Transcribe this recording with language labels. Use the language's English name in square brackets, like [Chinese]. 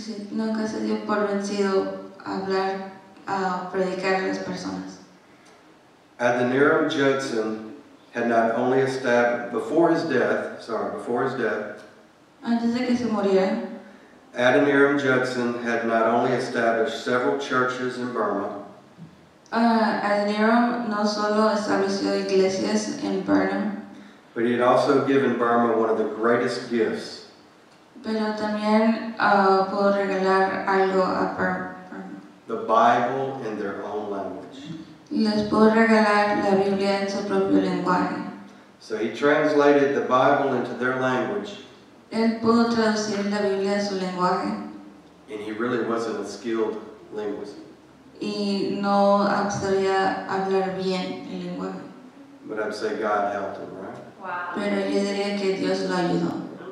[Spanish] Nunca se dio por vencido hablar, a predicar a las personas. [English] Adoniram Judson had not only established, before his death, [Spanish] antes de que se muriera, [English] Adoniram Judson had not only established several churches in Burma. [Spanish] Adoniram no solo estableció iglesias en Burma. [English] But he had also given Burma one of the greatest gifts. [Spanish] Pero también pudo regalar algo a Burma. [English] The Bible in their own language. [Spanish] Les pudo regalar la Biblia en su propio lenguaje. [English] So he translated the Bible into their language. [Spanish] Él pudo traducir la Biblia en su lenguaje. [English] And he really wasn't a skilled linguist. [Spanish] Y no sabía hablar bien el lenguaje. [English] But I'd say God helped him, right? Wow. [Spanish] Pero yo diría que Dios lo ayudó.